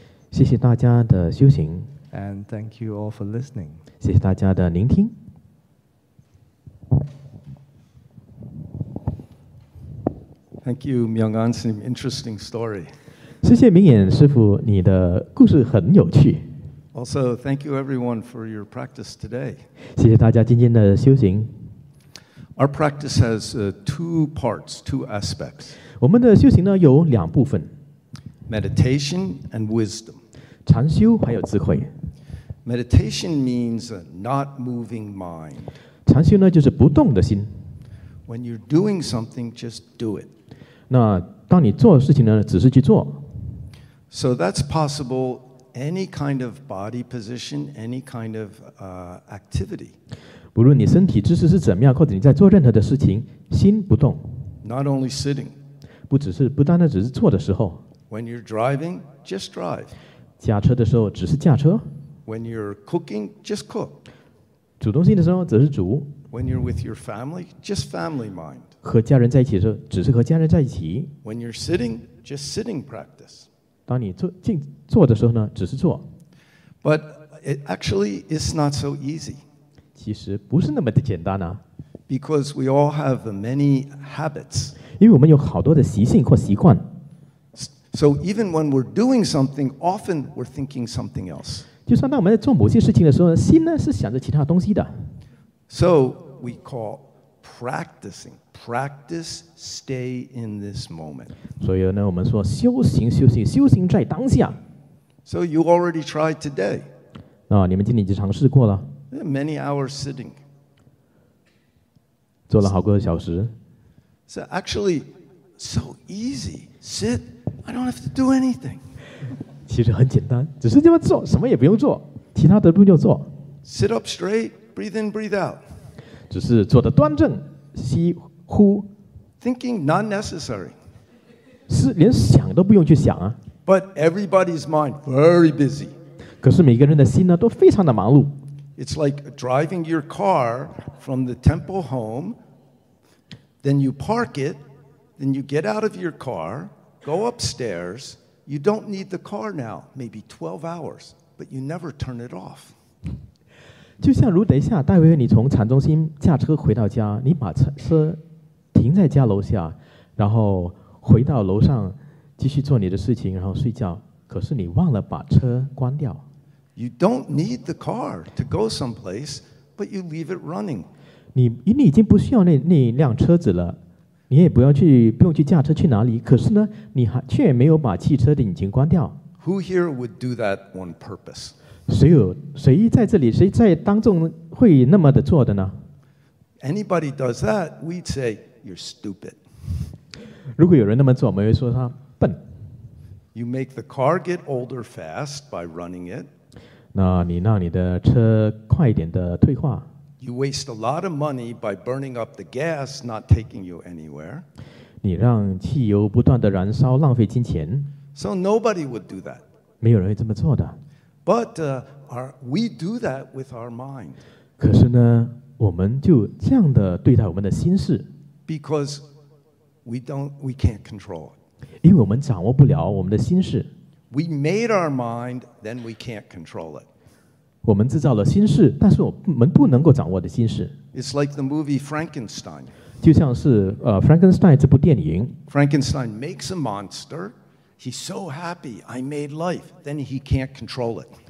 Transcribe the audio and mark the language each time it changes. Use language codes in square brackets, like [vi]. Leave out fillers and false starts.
[zh] 谢谢大家的修行。 [en] And thank you all for listening. [zh] 谢谢大家的聆听。 [en] Thank you, Myung-an. Some interesting story. [zh] 谢谢明眼师父，你的故事很有趣。 [en] Also, thank you everyone for your practice today. [zh] 谢谢大家今天的修行。 [en] Our practice has two parts, two aspects. [zh] 我们的修行呢有两部分。 [en] Meditation and wisdom. [zh] 禅修还有智慧。 [en] Meditation means a not moving mind. [zh] 禅修呢就是不动的心。 [en] When you're doing something, just do it. [zh] 那当你做事情呢，只是去做。 [en] So that's possible any kind of body position, any kind of activity. [zh] 不论你身体姿势是怎么样，或者你在做任何的事情，心不动。 [en] Not only sitting. [zh] 不单单只是坐的时候。 [en] When you're driving, just drive. [zh] 驾车的时候只是驾车。 [en] When you're cooking, just cook. [zh] 煮东西的时候只是煮。 [en] When you're with your family, just family mind. [zh] 和家人在一起的时候只是和家人在一起。 [en] When you're sitting, just sitting practice. [zh] 当你坐的时候呢，只是坐。 [en] But it actually is not so easy. [zh] 其实不是那么的简单啊。 [en] Because we all have many habits. [zh] 因为我们有好多的习性或习惯。 [en] So even when we're doing something, often we're thinking something else. [zh] 就算当我们在做某些事情的时候，心呢是想着其他东西的。 [en] So we call practicing. Practice, stay in this moment. [zh] 所以呢，我们说修行，修行，修行在当下。 [en] So you already tried today. [zh] 啊，你们今天已经尝试过了。 [en] Many hours sitting. [zh] 坐了好多小时。 [en] So actually, so easy. Sit. I don't have to do anything. [zh] 其实很简单，只是这么做，什么也不用做，其他的不用做。 [en] Sit up straight. Breathe in, breathe out. [zh] 只是坐得端正，吸。呼 [en] thinking not necessary. [zh] 是连想都不用去想啊。 [en] But everybody's mind very busy. [zh] 可是每个人的心呢都非常的忙碌。 [en] It's like driving your car from the temple home, then you park it, then you get out of your car, go upstairs. You don't need the car now, maybe 12 hours, but you never turn it off. [zh] 就像如等一下，待会你从禅中心驾车回到家，你把车停在家楼下，然后回到楼上继续做你的事情，然后睡觉。可是你忘了把车关掉。 [en] You don't need the car to go someplace, but you leave it running. [zh] 你已经不需要那辆车子了，你也不要去，不用去驾车去哪里。可是呢，你还却没有把汽车的引擎关掉。 [en] Who here would do that on purpose? [zh] 谁在这里，谁在当众会那么的做的呢 [en] ？Anybody does that, we'd say you're stupid. [zh] 如果有人那么做，我们会说他笨。 [en] You make the car get older fast by running it. [zh] 那你让你的车快一点的退化。 [en] You waste a lot of money by burning up the gas, not taking you anywhere. [zh] 你让汽油不断的燃烧，浪费金钱。 [en] So nobody would do that. [zh] 没有人会这么做的。 [en] But we do that with our mind. [zh] 可是呢，我们就这样的对待我们的心事。 [en] Because we can't control it. [zh] 因为我们掌握不了我们的心事。 [en] We made our mind, then we can't control it. [zh] 我们制造了心事，但是我们不能够掌握的心事。 [en] It's like the movie Frankenstein. [zh] 就像是Frankenstein 这部电影。 [en] Frankenstein makes a monster. He's so happy I made life. Then he can't control it.